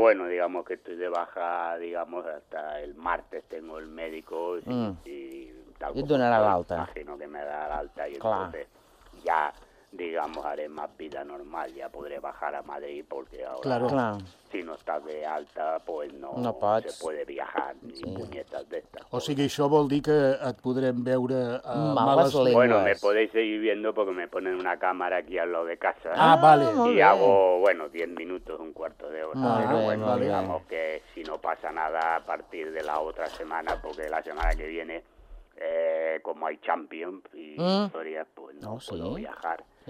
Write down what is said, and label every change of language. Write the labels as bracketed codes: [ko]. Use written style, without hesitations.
[es] Bueno, digamos que estoy de baja, digamos, hasta el martes tengo el médico y tal. Y donará la alta. Imagino que me da la alta y entonces ya, digamos, haré más vida normal. Ya podré bajar a Madrid porque ahora, si no estás de alta, pues no se puede viajar ni puñetas de estas. [ca] O sigui, això vol dir que et podrem veure a males [es] lenguas. Bueno, me podéis seguir viendo porque me ponen una cámara aquí al lado de casa. Vale. Y hago, bueno, 10 minutos, un cuarto de hora. Digamos que si no pasa nada a partir de la otra semana, porque la semana que viene... como hay Champions y historias, pues no puedo viajar.